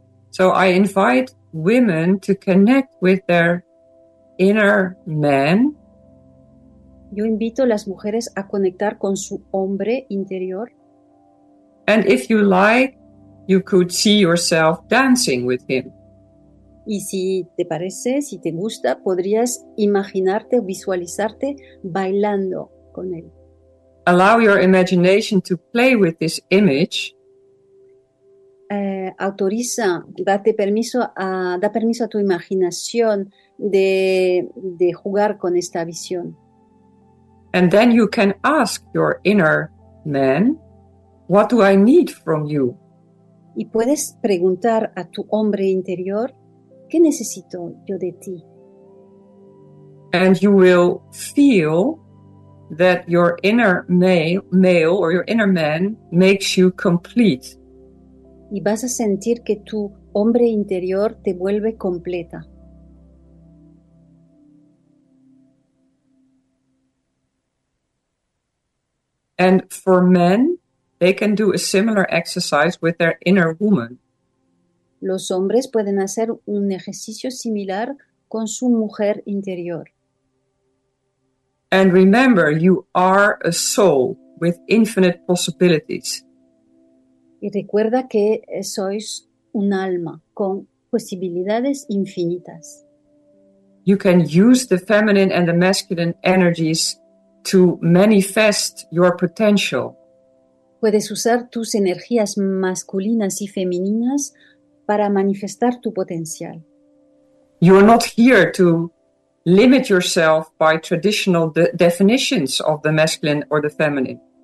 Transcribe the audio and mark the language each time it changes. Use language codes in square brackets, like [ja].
[en] So I invite women to connect with their inner man. [es] Yo invito a las mujeres a conectar con su hombre interior. [en] And if you like, you could see yourself dancing with him. [es] Y si te parece, si te gusta, podrías imaginarte, visualizarte bailando con él. [en] Allow your imagination to play with this image. [es] Autoriza, da permiso a tu imaginación de jugar con esta visión. [en] And then you can ask your inner man, what do I need from you? [es] Y puedes preguntar a tu hombre interior, ¿qué necesito yo de ti? [en] And you will feel that your inner male or your inner man makes you complete. [es] Y vas a sentir que tu hombre interior te vuelve completa. [en] And for men, they can do a similar exercise with their inner woman. [es] Los hombres pueden hacer un ejercicio similar con su mujer interior. [en] And remember, you are a soul with infinite possibilities. [es] Y recuerda que sois un alma con posibilidades infinitas. [en] You can use the feminine and the masculine energies to manifest your potential. [es] Puedes usar tus energías masculinas y femeninas para manifestar tu potencial. [en] You are not here to limit yourself by traditional definitions of the masculine or the feminine.